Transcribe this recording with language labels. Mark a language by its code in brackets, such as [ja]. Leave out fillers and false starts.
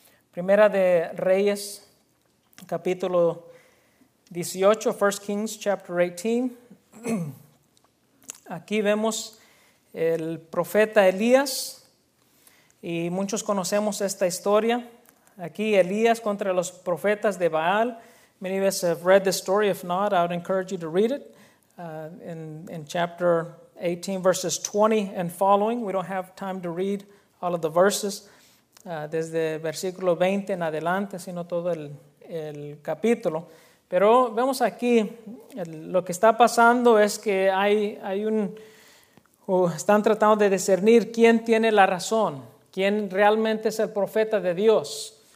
[es] Primera de Reyes, capítulo 18, [en] First Kings, chapter 18. [es] Aquí vemos el profeta Elías y muchos conocemos esta historia. Aquí Elías contra los profetas de Baal. [en] Many of us have read the story. If not, I would encourage you to read it in chapter 18, verses 20 and following. We don't have time to read all of the verses. [es] Desde versículo 20 en adelante, sino todo el capítulo. Pero vemos aquí, lo que está pasando es que están tratando de discernir quién tiene la razón, quién realmente es el profeta de Dios.